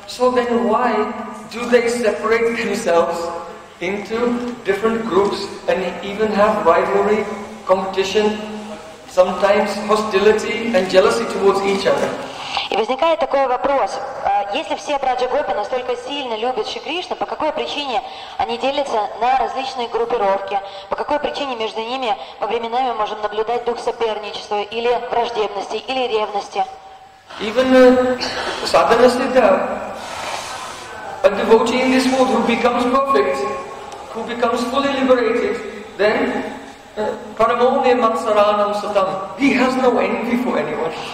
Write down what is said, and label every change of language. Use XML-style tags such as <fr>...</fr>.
<en>So then why do they separate themselves into different groups and even have rivalry, competition, sometimes hostility and jealousy towards each other?</en> <ru>И возникает такой вопрос, если все Браджа Гопи настолько сильно любят Шри Кришну, по какой причине они делятся на различные группировки, по какой причине между ними во временами мы можем наблюдать дух соперничества или враждебности, или ревности?</ru> <en>Even Sadhana Siddha, a devotee in this world who becomes perfect, who becomes fully liberated, then Paramone Matsaranam Satam, he has no envy for anyone.</en>